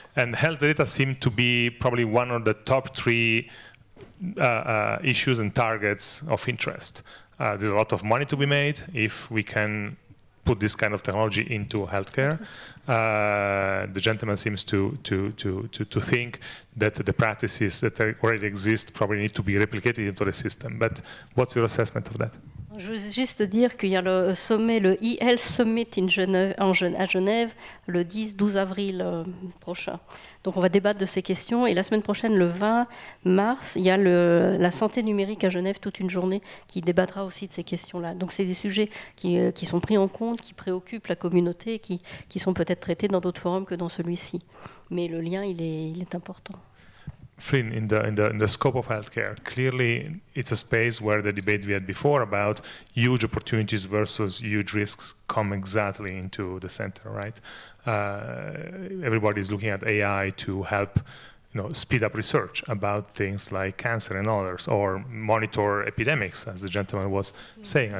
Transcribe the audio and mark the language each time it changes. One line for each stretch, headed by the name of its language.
English: And health data seem to be probably one of the top three issues and targets of interest. There's a lot of money to be made if we can put this kind of technology into healthcare. The gentleman seems to think that the practices that already exist probably need to be replicated into the system. But what's your assessment of that?
French: Je veux juste dire qu'il y a le sommet, le
English: e-health summit in
French: à Genève le 10-12 avril prochain. Donc on va débattre de ces questions. Et la semaine prochaine, le 20 mars, il y a la santé numérique à Genève, toute une journée, qui débattra aussi de ces questions-là. Donc c'est des sujets qui sont pris en compte, qui préoccupent la communauté, qui sont peut-être traités dans d'autres forums que dans celui-ci. Mais le lien, il est important.
English: Flynn, in the scope of healthcare, clearly it's a space where the debate we had before about huge opportunities versus huge risks come exactly into the center, right? Everybody is looking at AI to help, you know, speed up research about things like cancer and others, or monitor epidemics, as the gentleman was saying.